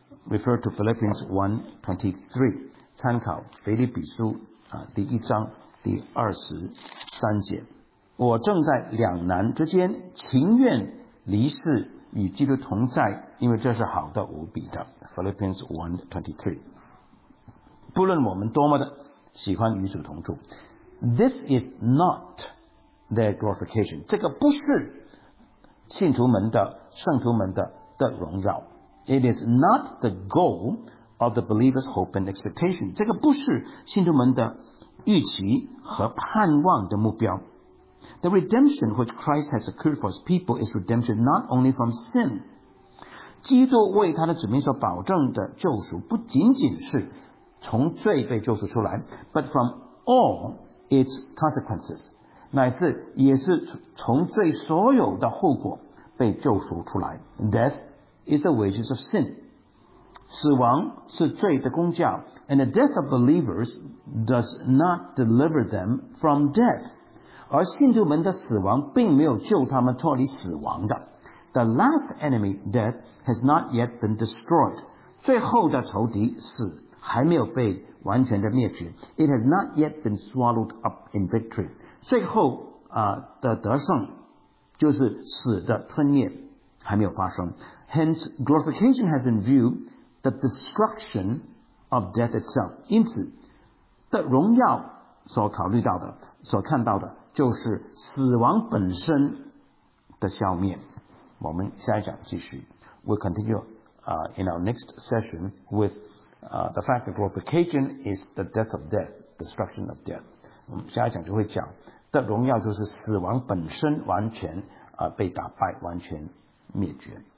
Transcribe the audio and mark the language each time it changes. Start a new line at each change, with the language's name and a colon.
English: Refer to Philippians 1:23,
Chinese: 参考腓立比书第一章第二十三节。我正在两难之间，情愿离世与基督同在，因为这是好的无比的。 Philippians 1:23, 不论我们多么的喜欢与主同住。
English: This is not their glorification,
Chinese: 这个不是信徒们的圣徒们的荣耀。
English: It is not the goal of the believer's hope and expectation.
Chinese: 这个不是信徒们的预期和盼望的目标。
English: The redemption which Christ has secured for his people is redemption not only from sin.
Chinese: 基督为他的子民所保证的救赎不仅仅是从罪被救赎出来
English: but from all its consequences.
Chinese: 乃是也是从罪所有的后果被救赎出来
English: Death is the wages of sin.
Chinese: 死亡是罪的工价
English: And the death of believers does not deliver them from death.
Chinese: 而信徒们的死亡并没有救他们脱离死亡的
English: The last enemy, death, has not yet been destroyed.
Chinese: 最后的仇敌死还没有被完全的灭绝
English: It has not yet been swallowed up in victory.
Chinese: 最后、的得胜就是死的吞灭还没有发生
English: Hence, glorification has in view the destruction of death itself.
Chinese: 因此的荣耀所考虑到的所看到的就是死亡本身的消灭我们下一讲继续
English: We'll continue、in our next session with the fact that glorification is the death of death, destruction of death.
Chinese: 我们下一讲就会讲的荣耀就是死亡本身完全、被打败完全灭绝